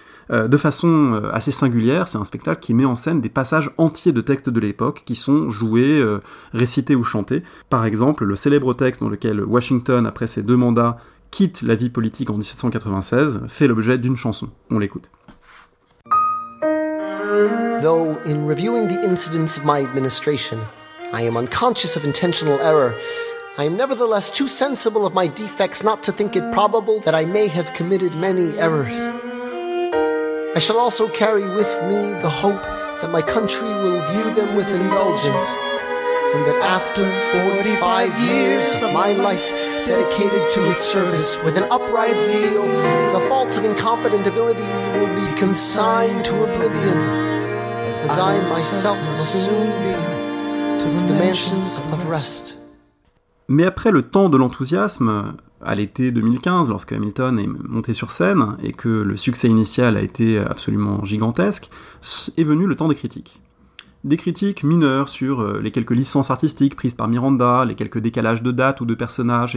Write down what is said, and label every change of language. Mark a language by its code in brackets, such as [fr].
[fr] De façon assez singulière, c'est un spectacle qui met en scène des passages entiers de textes de l'époque qui sont joués, récités ou chantés. Par exemple, le célèbre texte dans lequel Washington, après ses deux mandats, quitte la vie politique en 1796, fait l'objet d'une chanson. On l'écoute. [en] Though in reviewing the incidents of my administration, I am unconscious of intentional error, I am nevertheless too sensible of my defects not to think it probable that I may have committed many errors. I shall also carry with me the hope that my country will view them with indulgence, and that after 45 years of my life dedicated to its service with an upright zeal, the faults of incompetent abilities will be consigned to oblivion, as I myself will soon be to the mansions of rest. [fr] Mais après le temps de l'enthousiasme, à l'été 2015, lorsque Hamilton est monté sur scène et que le succès initial a été absolument gigantesque, est venu le temps des critiques. Des critiques mineures sur les quelques licences artistiques prises par Miranda, les quelques décalages de dates ou de personnages.